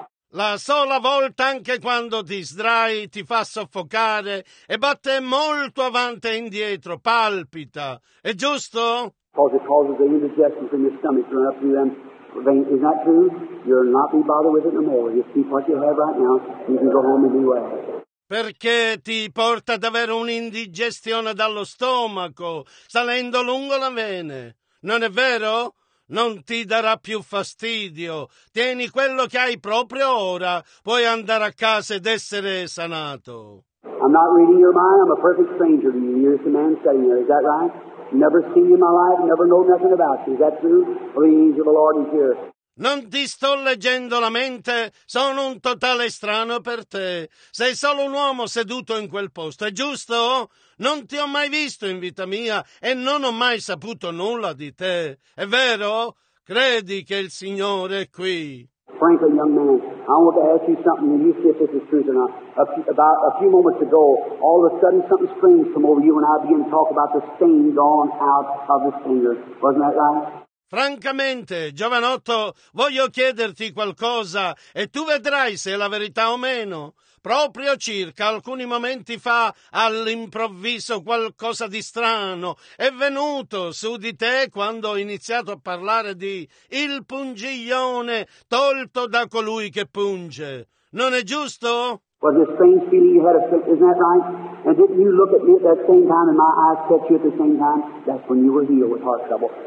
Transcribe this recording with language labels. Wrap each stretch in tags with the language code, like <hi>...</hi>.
<it>La sola volta anche quando ti sdrai ti fa soffocare e batte molto avanti e indietro, palpita. È giusto?</it> <en>Because it causes the indigestion from your stomach to run up through them. Is that true? You'll not be bothered with it no more. You keep what you have right now. You can go home and be well.</en> <it>Perché ti porta ad avere un'indigestione dallo stomaco, salendo lungo la vene. Non è vero? Non ti darà più fastidio. Tieni quello che hai proprio ora. Puoi andare a casa ed essere sanato.</it> <en>I'm not reading your mind. I'm a perfect stranger to you. You're the man sitting there. Is that right? Never seen you in my life, never know nothing about you. Is that true? The angel of the Lord is here.</en> <it>Non ti sto leggendo la mente, sono un totale strano per te. Sei solo un uomo seduto in quel posto, è giusto? Non ti ho mai visto in vita mia e non ho mai saputo nulla di te. È vero? Credi che il Signore è qui.</it> <en>Franklin, young man, I want to ask you something and you see if this is true or not. About a few moments ago, all of a sudden something strange came over you and I began to talk about the stain gone out of his finger. Wasn't that right?</en> <it>Francamente, giovanotto, voglio chiederti qualcosa e tu vedrai se è la verità o meno. Proprio circa alcuni momenti fa, all'improvviso, qualcosa di strano è venuto su di te quando ho iniziato a parlare di il pungiglione tolto da colui che punge. Non è giusto?</it> <en>Was it a strange feeling you had? Isn't that right? And didn't you look at me at that same time and my eyes catch you at the same time? That's when you were healed with heart trouble.</en>